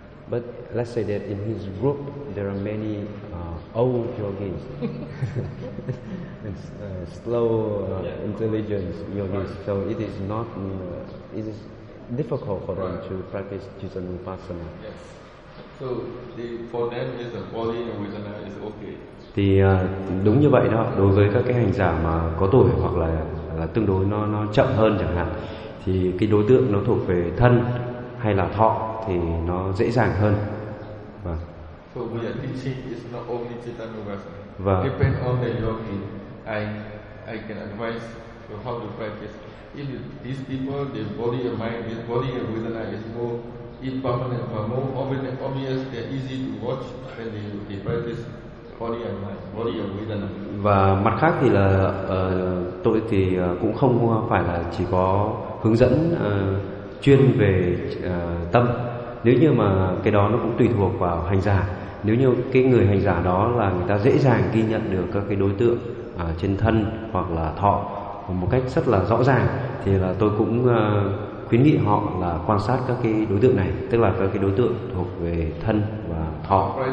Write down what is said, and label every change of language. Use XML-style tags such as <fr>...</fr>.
<en>But let's say that in his group there are many old yogis, slow intelligent yogis, so it is not it is difficult for them to practice Chitta Nupassana. Yes. So for them is the body and vedana is okay.</en> <vi>Thì đúng như vậy đó, đối với các cái hành giả mà có tuổi hoặc là tương đối nó chậm hơn chẳng hạn, thì cái đối tượng nó thuộc về thân hay là thọ thì nó dễ dàng hơn. Vâng.</vi> <en>So we are teaching is not only Chitta Nupassana.</en> <vi>Vâng.</vi> <en>Depend on the yogi, I can advise to how to practice. If these people, their body and mind, their body and vedana is more impermanent, more obvious, they're easy to watch when they practice body and mind, body and vision.</en> <vi>Và mặt khác thì là tôi thì cũng không phải là chỉ có hướng dẫn chuyên về tâm. Nếu như mà cái đó nó cũng tùy thuộc vào hành giả. Nếu như cái người hành giả đó là người ta dễ dàng ghi nhận được các cái đối tượng trên thân hoặc là thọ một cách rất là rõ ràng, thì là tôi cũng khuyến nghị họ là quan sát các cái đối tượng này, tức là các cái đối tượng thuộc về thân và thọ.</vi>